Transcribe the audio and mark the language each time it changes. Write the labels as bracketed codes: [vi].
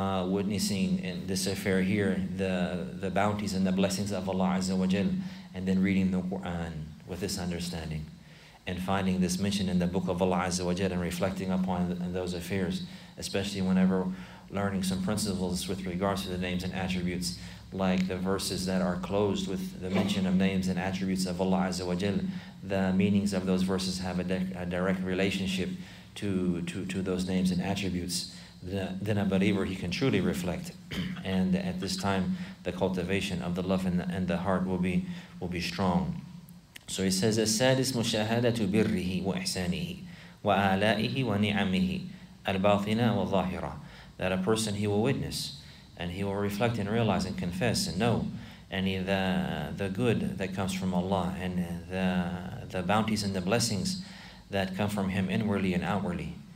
[en] witnessing in this affair here the bounties and the blessings of Allah Azza wa Jal, and then reading the Quran with this understanding and finding this mention in the book of Allah Azza wa Jal and reflecting upon those affairs, especially whenever learning some principles with regards to the names and attributes, like the verses that are closed with the mention of names and attributes of Allah Azza wa Jal. The meanings of those verses have a direct relationship to those names and attributes. Then a believer, he can truly reflect, and at this time the cultivation of the love and the heart will be strong. So he says, [ar] السادس مشاهدة بره وإحسانه وآلائه ونعمه الباطنة والظاهرة. [en] That a person, he will witness and he will reflect and realize and confess and know any of the good that comes from Allah and the bounties and the blessings that come from him inwardly and outwardly.